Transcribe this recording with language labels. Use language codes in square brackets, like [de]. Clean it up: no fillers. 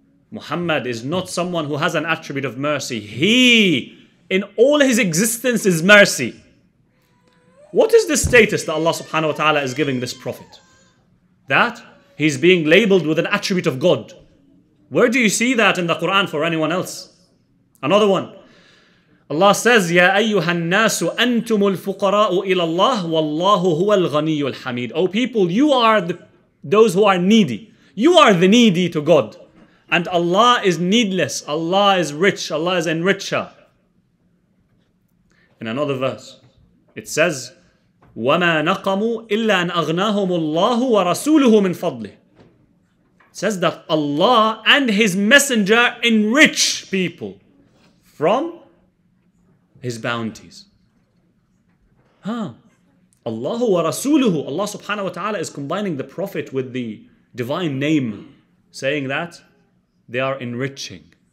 [en] Muhammad is not someone who has an attribute of mercy. He, in all his existence, is mercy. What is the status that Allah subhanahu wa ta'ala is giving this prophet? That he's being labeled with an attribute of God. Where do you see that in the Quran for anyone else? Another one. Allah says, [ar] يَا أَيُّهَا النَّاسُ أَنْتُمُ الْفُقَرَاءُ إِلَى اللَّهُ وَاللَّهُ هُوَ الْغَنِيُّ الْحَمِيدُ. [en] O people, you are those who are needy. You are the needy to God. And Allah is needless. Allah is rich. Allah is enricher. In another verse, it says, [ar] وَمَا نَقَمُوا إِلَّا أَنْ أَغْنَاهُمُ اللَّهُ وَرَسُولُهُ مِنْ فَضْلِهِ. [en] It says that Allah and His Messenger enrich people from His bounties. Huh. Allahu wa rasuluhu. Allah subhanahu wa ta'ala is combining the Prophet with the divine name, saying that they are enriching.